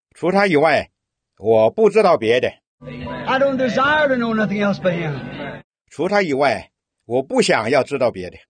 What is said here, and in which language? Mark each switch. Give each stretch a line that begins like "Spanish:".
Chinese: 除他以外，我不知道别的。
English: I don't desire to know nothing else but him.
Chinese: 除他以外，我不想要知道别的。